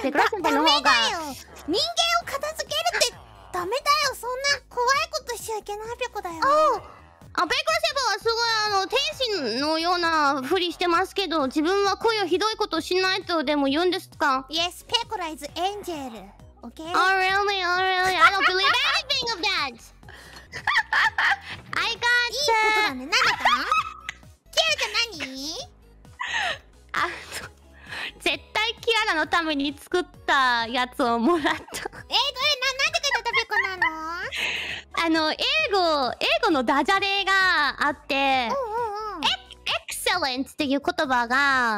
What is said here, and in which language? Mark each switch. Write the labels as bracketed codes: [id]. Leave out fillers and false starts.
[ja] ペコラ先輩の方が。ダメだよ、人間を片付けるってダメだよ、そんな怖いことしちゃいけないペコだよ。あ、ペコラ先輩はすごい天使のようなふりしてますけど、自分は声をひどいことしないとでも言うんですか？ [en] Yes, ペコライズエンジェル。Okay? Oh really? Oh really? I don't believe anything of that! I got [ja] いいことだね、何だキアラちゃん何？あ、絶対キアラのために作ったやつをもらった。どれ、なんで書いてたペコなの？英語のダジャレがあって、エクセレントっていう言葉が、